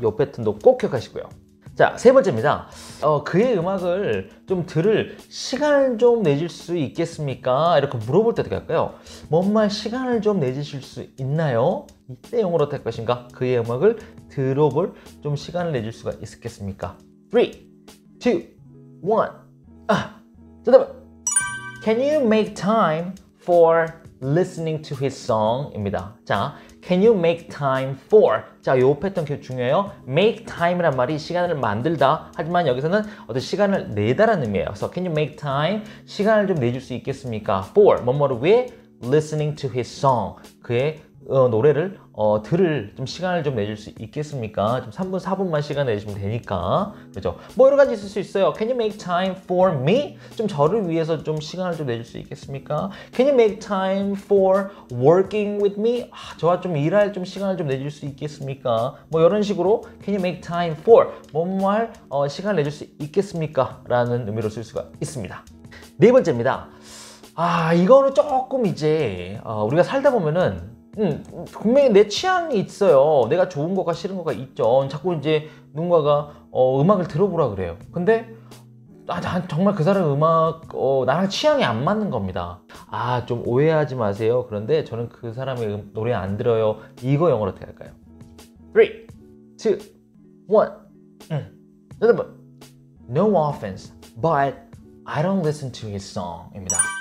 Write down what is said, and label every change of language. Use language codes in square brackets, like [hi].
[ko] 요 패턴도 꼭 기억하시고요. 자, 세 번째입니다. 그의 음악을 좀 들을 시간을 좀 내줄 수 있겠습니까? 이렇게 물어볼 때 어떻게 할까요? 뭔말 시간을 좀 내주실 수 있나요? 이때 영어로 어떻게 할 것인가? 그의 음악을 들어볼 좀 시간을 내줄 수가 있겠습니까? 3, 2, 1. 아, 잠깐만. [en] Can you make time for listening to his song? [ko] 입니다. 자, [en] can you make time for? [ko] 자, 요 패턴 되게 중요해요. make time이란 말이 시간을 만들다. 하지만 여기서는 어떤 시간을 내다라는 의미예요. 그래서 [en] can you make time? [ko] 시간을 좀 내줄 수 있겠습니까? [en] for, [ko] 뭐뭐를 위해? [en] listening to his song. [ko] 그의 노래를 들을 좀 시간을 좀 내줄 수 있겠습니까? 좀 3분, 4분만 시간 내주시면 되니까. 그죠? 뭐 여러 가지 있을 수 있어요. [en] Can you make time for me? [ko] 좀 저를 위해서 좀 시간을 좀 내줄 수 있겠습니까? [en] Can you make time for working with me? [ko] 저와 좀 일할 좀 시간을 좀 내줄 수 있겠습니까? 뭐 이런 식으로 [en] Can you make time for? [ko] 뭔말 시간을 내줄 수 있겠습니까? 라는 의미로 쓸 수가 있습니다. 네 번째입니다. 아, 이거는 조금 이제 우리가 살다 보면은 분명히 내 취향이 있어요. 내가 좋은 거가 싫은 거가 있죠. 자꾸 이제 누군가가 음악을 들어보라 그래요. 근데 난 정말 그 사람 음악 나랑 취향이 안 맞는 겁니다. 아, 좀 오해하지 마세요. 그런데 저는 그 사람의 노래 안 들어요. 이거 영어로 어떻게 할까요? 3, 2, 1. 여러분, [en] no offense, but I don't listen to his song입니다.